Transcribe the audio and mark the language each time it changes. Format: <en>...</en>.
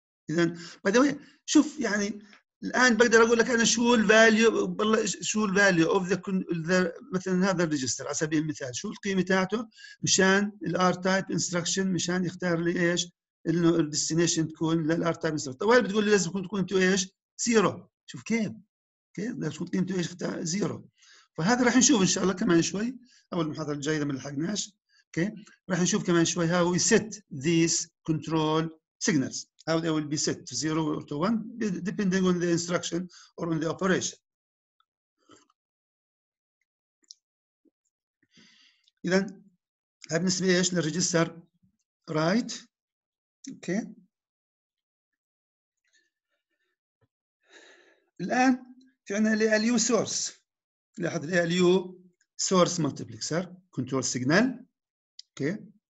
<ar>إذن</ar> <en>by the way</en> <ar>شوف يعني الآن بقدر أقول لك أنا شو value بالله شو</ar> <en>value of the</en> <ar>مثلاً هذا الريجستر على سبيل المثال شو القيمة تاعته مشان ال R type instruction مشان يختار لي إيش إنه ال destination تكون لل R type instruction. طوال بتقول لي لازم تكون تو إيش zero. شوف كيف كيف لازم تكون قيمته إيش اختار zero. فهذا راح نشوف إن شاء الله كمان شوي أول محاضرة الجاية إذا ما لحقناش.</ar> <en>Okay.</en> <ar>راح نشوف كمان شوي</ar> <en>how we set these control signals how they will be set to 0 or to 1 depending on the instruction or on the operation.</en> <ar>إذا هاي بالنسبة إيش للريجستر رايت اوكي الآن في عندنا الـ ALU source لاحظ الـ ALU source multiplexer control signal اوكي</ar>